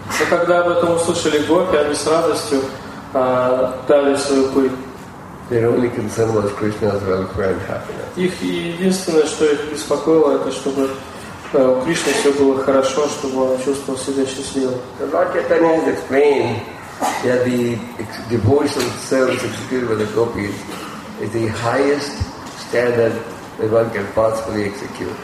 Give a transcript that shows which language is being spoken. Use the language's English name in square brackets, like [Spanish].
[Russian] когда об этом услышали гопи, они с радостью дали свою пыль. [English] Their only concern was Krishna's welfare and happiness. [Russian] Их единственное, что их беспокоило, это чтобы у Кришны все было хорошо, чтобы он чувствовал себя счастливым. [English] Lord Chaitanya has explained that the devotional service executed by the gopis is the highest standard that one can possibly execute.